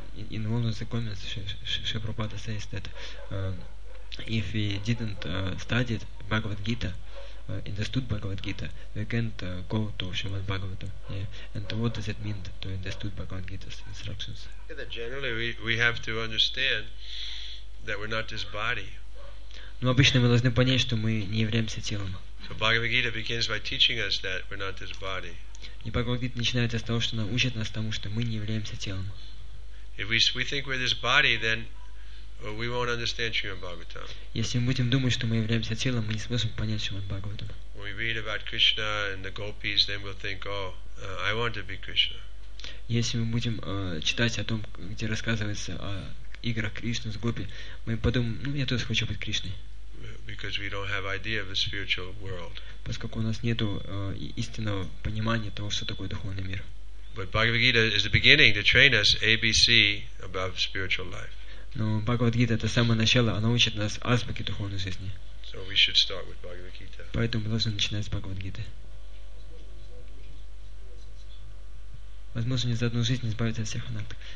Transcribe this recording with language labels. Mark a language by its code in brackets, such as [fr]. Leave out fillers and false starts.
[en] In one of the comments, Шри Прабхупада says that if we didn't study Bhagavad Gita, understood Bhagavad Gita, we can't go to Shrimad Bhagavatam. Yeah. And what does it mean to understood Bhagavad Gita's instructions? Yeah, that generally, we have to understand that we're not this body. [ru] Ну, обычно мы должны понять, что мы не являемся телом. [en] So Bhagavad Gita begins by teaching us that we're not this body. [ru] И Бхагавад Гита начинается с того, что она учит нас тому, что мы не являемся телом. [en] If we think we're this body, then we won't understand Srimad Bhagavatam. [ru] Если мы будем думать, что мы являемся телом, мы не сможем понять Srimad Bhagavatam. [en] When we read about Krishna and the gopis, then we'll think, "Oh, I want to be Krishna." [ru] Если мы будем читать о том, где рассказывается о играх Кришны с гопи, мы подумаем, ну я тоже хочу быть Кришной. [en] Because we don't have idea of the spiritual world. [ru] Поскольку у нас нету истинного понимания того, что такое духовный мир. [en] But Bhagavad Gita is the beginning to train us ABC about spiritual life. [ru] Но Бхагавад Гита это самое начало, она учит нас азбуке духовной жизни. [en] So we should start with Bhagavad Gita. [ru] Поэтому мы должны начинать с Бхагавад Гиты. возможно, не за одну жизнь избавиться от всех анартхов.